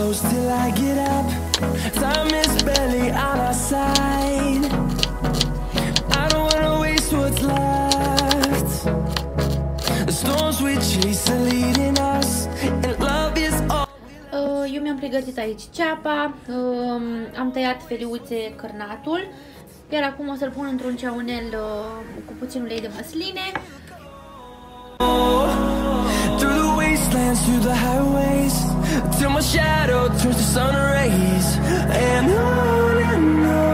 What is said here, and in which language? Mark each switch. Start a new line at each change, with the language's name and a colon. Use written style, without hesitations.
English: Till I get up, time is barely on our side. I don't wanna waste what's left. The storms we chase are leading us, and love is all.
Romanian: Eu mi-am pregătit aici ceapa, am tăiat feliuțe cârnatul, iar acum o să-l pun într-un ceaunel cu puțin ulei de măsline.
English: Through the wastelands, through the highways, till my shadow turns to sun rays, and I...